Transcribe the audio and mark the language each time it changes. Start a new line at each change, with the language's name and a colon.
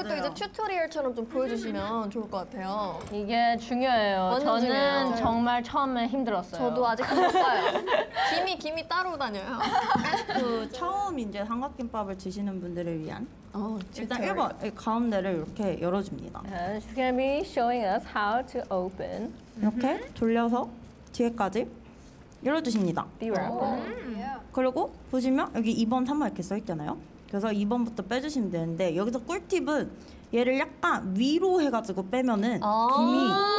Korean: 이거를 또 이제 튜토리얼처럼 좀 보여주시면 좋을 것 같아요. 이게 중요해요. 저는 중요해요. 정말 처음에 힘들었어요. 저도 아직 못 봐요. 김이 따로 다녀요. 그 처음 이제 삼각김밥을 드시는 분들을 위한 일단 1번 가운데를 이렇게 열어줍니다.
English: And she's gonna be showing us how to open.
Korean: 이렇게 돌려서 뒤에까지 열어주십니다. 그리고 보시면 여기 2번, 3번 이렇게 써있잖아요. 그래서 2번부터 빼주시면 되는데 여기서 꿀팁은 얘를 약간 위로 해가지고 빼면은 김이